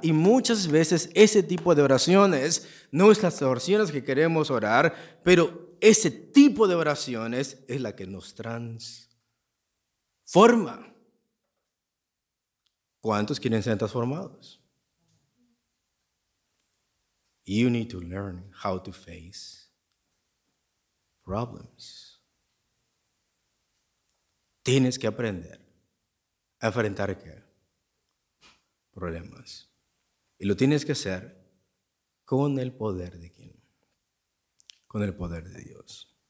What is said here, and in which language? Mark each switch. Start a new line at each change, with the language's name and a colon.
Spanish: Y muchas veces ese tipo de oraciones, no es las oraciones que queremos orar, pero ese tipo de oraciones es la que nos transforma. ¿Cuántos quieren ser transformados?
English: You need to learn how to face problems.
Spanish: Tienes que aprender a enfrentar ¿qué? Problemas. Y lo tienes que hacer con el poder de quién? Con el poder de Dios.